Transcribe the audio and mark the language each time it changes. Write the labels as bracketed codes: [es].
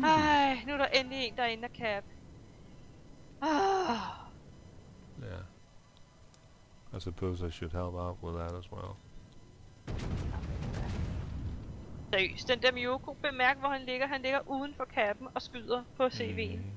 [da] Ej, nu er der endelig en, der er inde og cap. [en] Yeah. I suppose I should help out with that as well. [da] Seriøst, den der Miyoko, bemærk hvor han ligger. Han ligger uden for cappen og skyder på CV'en.